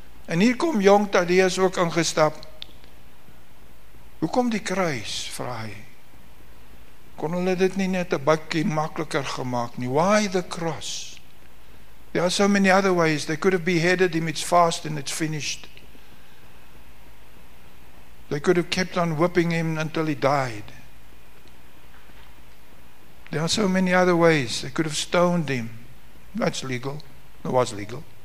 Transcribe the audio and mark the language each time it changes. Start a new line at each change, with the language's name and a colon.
Afrikaans: En hier kom Jong Thaddeus ook ingestap. Hoe kom die kruis, vraag hy? Kon hulle dit nie net 'n bakkie makliker gemaak nie?
English: Why the cross? There are so many other ways. They could have beheaded him, it's fast and it's finished. They could have kept on whipping him until he died. There are so many other ways. They could have stoned him. That's legal. It was legal.